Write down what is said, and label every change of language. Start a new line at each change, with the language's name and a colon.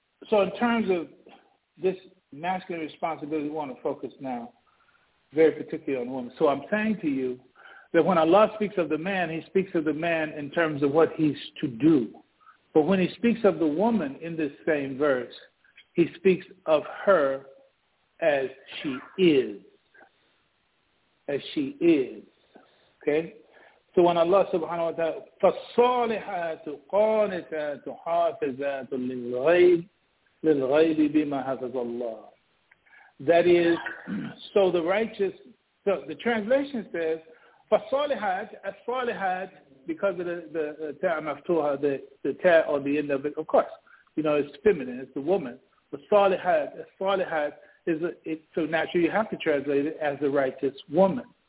English: So in terms of this masculine responsibility, we want to focus now very particularly on women. So I'm saying to you that when Allah speaks of the man, he speaks of the man in terms of what he's to do. But when he speaks of the woman in this same verse, he speaks of her as she is. As she is. Okay? So when Allah subhanahu wa ta'ala,
Arabic: فَالصَّالِحَاتُ قَانِتَاتُ حَافِزَاتُ لِلْغَيْبِ بِمَا حَفَظَ اللَّهِ.
English: That is, so the righteous, so the translation says,
Arabic: فَالصَّالِحَاتُ, أَصَّالِحَاتُ,
English: because of the ta' maftuha, the ta' on the end of it, of course, you know, it's feminine, it's the woman.
Arabic: فَالصَّالِحَاتُ, أَصَّالِحَاتُ,
English: so naturally you have to translate it as the righteous woman.